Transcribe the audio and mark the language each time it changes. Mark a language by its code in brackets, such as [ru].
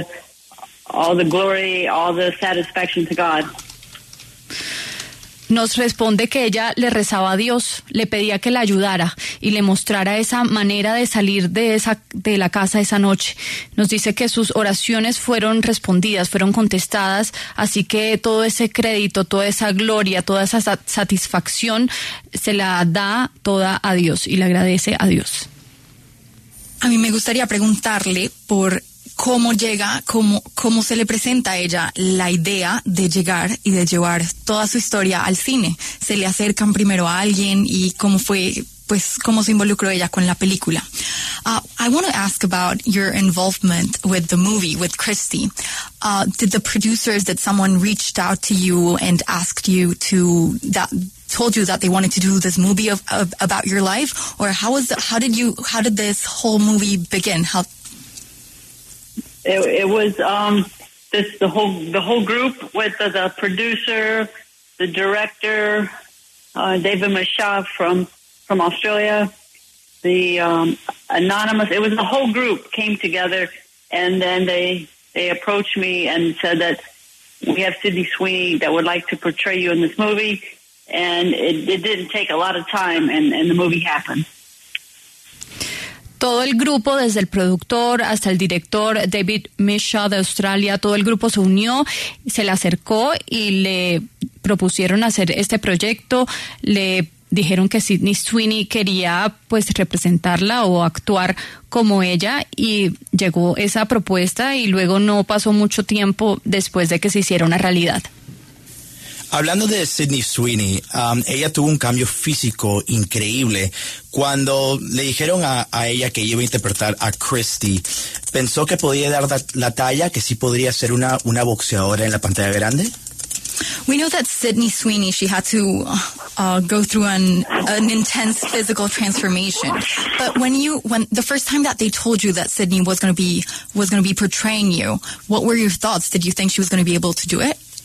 [en] So I give all the glory, all the satisfaction to God. [es] Nos responde que ella le rezaba a Dios, le pedía que la ayudara y le mostrara esa manera de salir de la casa esa noche. Nos dice que sus oraciones fueron respondidas, fueron contestadas, así que todo ese crédito, toda esa gloria, toda esa satisfacción se la da toda a Dios y le agradece a Dios. A mí me gustaría preguntarle por cómo llega, cómo se le presenta a ella la idea de llegar y de llevar toda su historia al cine. ¿Se le acercan primero a alguien y cómo fue, pues, cómo se involucró ella con la película? [en] I want to ask about your involvement with the movie, with Christie. Did the producers, did someone reach out to you and asked you to that told you that they wanted to do this movie of about your life, or how did this whole movie begin? It was the whole group with the producer, the director, David Mashaw from Australia, the anonymous. It was the whole group came together, and then they approached me and said that we have Sydney Sweeney that would like to portray you in this movie. And it didn't take a lot of time, and the movie happened. [es] Todo el grupo, desde el productor hasta el director David Mishaw de Australia, todo el grupo se unió, se le acercó y le propusieron hacer este proyecto. Le dijeron que Sydney Sweeney quería pues representarla o actuar como ella, y llegó esa propuesta, y luego no pasó mucho tiempo después de que se hiciera una realidad. Hablando de Sydney Sweeney, ella tuvo un cambio físico increíble. Cuando le dijeron a ella que iba a interpretar a Christy, ¿pensó que podía dar la talla, que sí podría ser una boxeadora en la pantalla grande? [en] We know that Sydney Sweeney, she had to go through an intense physical transformation. But when the first time that they told you that Sydney was going to be portraying you, what were your thoughts? Did you think she was going to be able to do it?